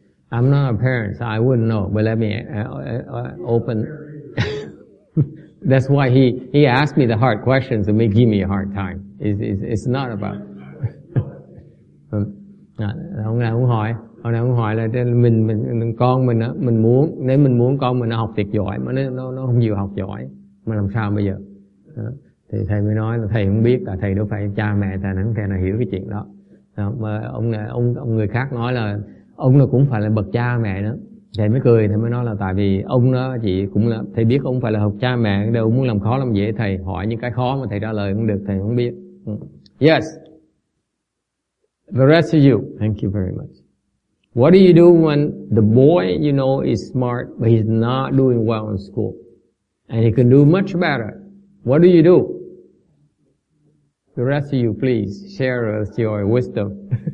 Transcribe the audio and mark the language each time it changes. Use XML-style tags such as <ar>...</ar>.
<en>I'm not a parent, so I wouldn't know, but let me open. That's why he asked me the hard questions and may give me a hard time. It's not about.</en> <vi>Ông này cũng hỏi, là mình con mình muốn, nếu mình muốn con mình học thiệt giỏi mà nó không chịu học giỏi, mà làm sao bây giờ? Thì thầy mới nói là thầy không biết, là thầy đâu phải cha mẹ, thầy không thể nào hiểu cái chuyện đó. Mà ông người khác nói là ông là cũng phải là bậc cha mẹ nữa. Thầy mới cười, thầy mới nói là tại vì ông đó chỉ cũng là, thầy biết ông phải là học cha mẹ đâu, muốn làm khó làm dễ thầy, hỏi những cái khó mà thầy trả lời cũng được, thầy không biết.</vi> <en>Yes. The rest of you, thank you very much. What do you do when the boy you know is smart but he's not doing well in school and he can do much better? What do you do? The rest of you, please share us your wisdom.</en>